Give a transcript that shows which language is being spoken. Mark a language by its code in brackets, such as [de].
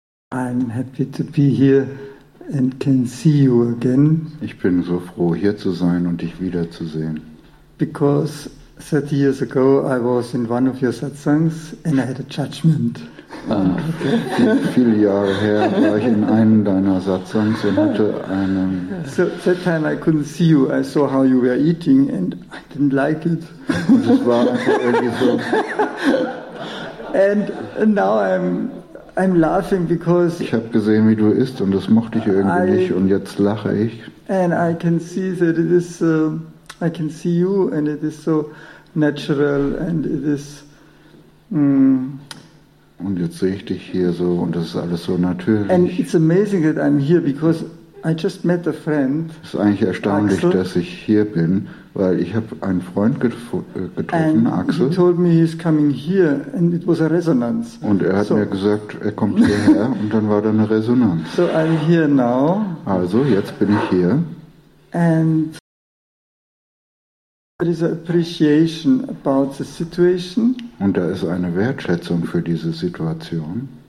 [en] I'm happy to be here and can see you again. [de] Ich bin so froh, hier zu sein und dich wiederzusehen. [en] Because 30 years ago I was in one of your satsangs and I had a judgment. [de] Viele Jahre her war ich in einem deiner Satsangs und hatte einen. [en] So that time I couldn't see you. I saw how you were eating and I didn't like it. [de] Und es war einfach irgendwie so. [en] And now I'm laughing because. [de] Ich habe gesehen, wie du isst und das mochte ich irgendwie nicht und jetzt lache ich. [en] And I can see that it is. I can see you and it is so natural and it is. [de] Und jetzt sehe ich dich hier so und das ist alles so natürlich. [en] And it's amazing that I'm here because I just met a friend. [de] Es ist eigentlich erstaunlich, Axel, dass ich hier bin, weil ich habe einen Freund getroffen, [en] and Axel. He told me he's coming here and it was a resonance. [de] Und er hat mir gesagt, er kommt hierher und dann war da eine Resonanz. [en] So I'm here now. [de] Also, jetzt bin ich hier. [en] And there is an appreciation about the situation. [de] Und da ist eine Wertschätzung für diese Situation.